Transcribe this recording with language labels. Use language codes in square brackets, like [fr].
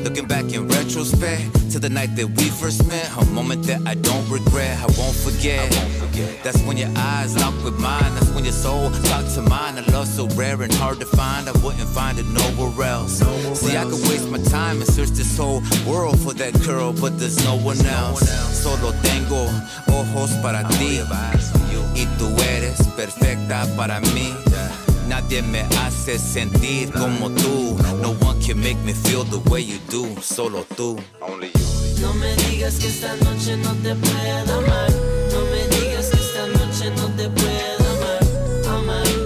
[en] Looking back in retrospect to the night that we first met, a moment that I don't regret, I won't forget. That's when your eyes locked with mine, that's when your soul talked to mine. A love so rare and hard to find, I wouldn't find it nowhere else. See, I could waste my time and search this whole world for that girl, but there's no one else. [es] Solo tengo ojos para ti, y tú eres perfecta para mí. Nadie me hace sentir como tú. [en] No one can make me feel the way you do. [es] Solo tú. [en] Only you. [es] No me digas que esta noche no te pueda amar. No me digas que esta noche no te pueda amar.